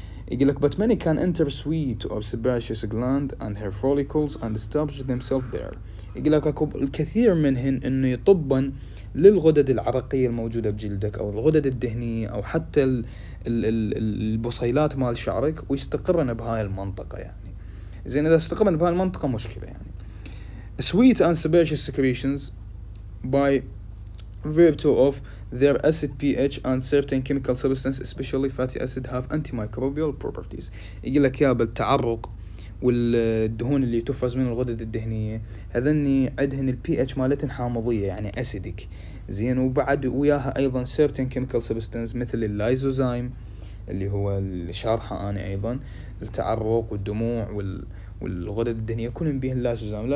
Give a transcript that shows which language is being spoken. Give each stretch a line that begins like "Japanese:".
Arabic: يقول لك
English: but many can enter sweat or sebaceous gland and hair follicles and establish them self there,
Arabic: يقول لك اكو الكثير منهن انه يطبن للغدد العرقية الموجودة بجلدك او الغدد الدهنية او حتى البصيلات مال شعرك ويستقرن بهاي المنطقة. يعني زين اذا استقرن بهاي المنطقة مشكلة. يعني
English: sweet and sebaceous secretions by virtue of their acid pH and certain chemical substance especially fatty acid have antimicrobial properties.
Arabic: يقول لك يا بالتعرق والدهون اللي تفرز من الغدد الدهنيه هذني عندهن البي اتش مالتهن حامضيه يعني اسيدك زين، وبعد وياها ايضا
English: certain chemical substance
Arabic: مثل اللايزوزايم اللي هو الشارحه انا ايضا التعرق والدموع والغدد الدهنيه يكونن بيه اللايزوزايم.